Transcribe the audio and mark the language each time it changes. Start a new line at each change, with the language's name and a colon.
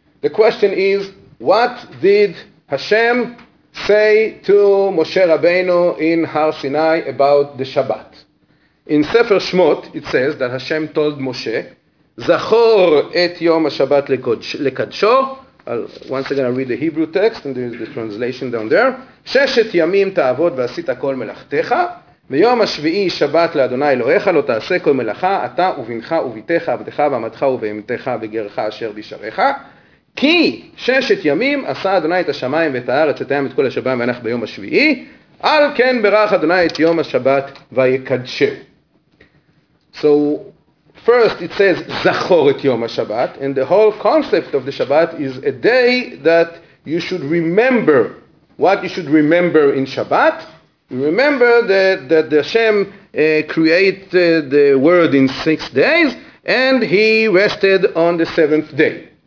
English: The question is, what did Hashem say to Moshe Rabbeinu in Har Sinai about the Shabbat? In Sefer Shmot, it says that Hashem told Moshe,
Hebrew: Zachor et Yom HaShabbat Lekadsho.
English: Once again, I read the Hebrew text, and there is the translation down there.
Hebrew: Sheshet Yamim Ta'avod V'asita Kol Melachtecha. ביום השביעי שבת לאדוני אלוהיך לא תעשה כל מלאכה אתה ובנך וביתך עבדך ועמדך ובהמתך וגרך אשר בשעריך כי ששת ימים עשה אדוני את השמיים ואת הארץ ותיים את כל השבים ואנך ביום השביעי על כן ברך אדוני את יום השבת ויקדשו.
English: So first it says
Hebrew: זכור את יום השבת,
English: and the whole concept of the Shabbat is a day that you should remember. What you should remember in Shabbat? Remember that the Hashem created the world in 6 days, and he rested on the seventh day.